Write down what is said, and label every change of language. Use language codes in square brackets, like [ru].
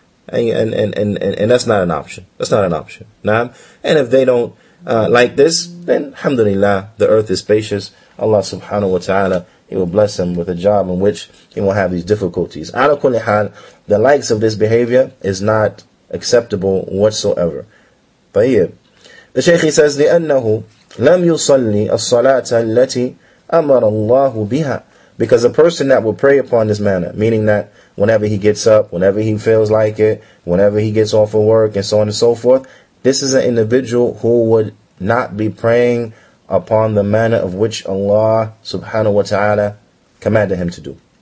[en] And that's not an option. That's not an option. Naam. And if they don't like this, then alhamdulillah, the earth is spacious. Allah subhanahu wa ta'ala He will bless him with a job in which he won't have these difficulties. Ala kulli hal, the likes of this behavior is not acceptable whatsoever. [ar] طيب. [en] The Shaykh says, [ar] لِأَنَّهُ لَمْ يُصَلِّ الصَّلَاةَ الَّتِي أَمَرَ اللَّهُ بِهَا. [en] Because a person that will pray upon this manner, meaning that whenever he gets up, whenever he feels like it, whenever he gets off of work, and so on and so forth, this is an individual who would not be praying upon the manner of which Allah subhanahu wa ta'ala commanded him to do.